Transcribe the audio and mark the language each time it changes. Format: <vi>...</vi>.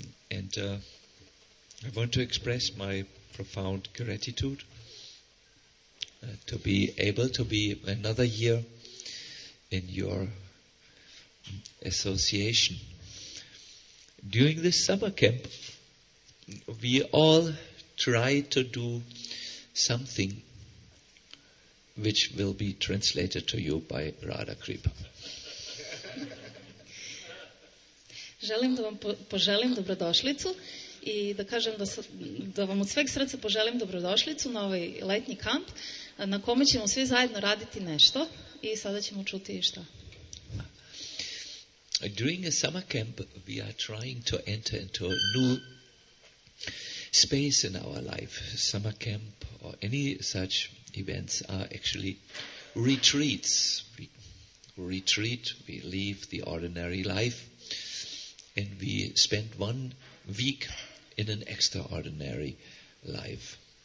<en>And I want to express my profound gratitude to be able to be another year in your association. During this summer camp, we all try to do something which will be translated to you by Radha Kripa.</en> <sr>Želim da vam poželim dobrodošlicu i da kažem da vam od sveg srca poželim dobrodošlicu na ovaj letnji kamp na kome ćemo svi zajedno raditi nešto i sada ćemo čuti šta.</sr> <en>During a summer camp we are trying to enter into a new space in our life. Summer camp or any such events are actually retreats. We retreat, we leave the ordinary life and we spend 1 week in an extraordinary life.</en>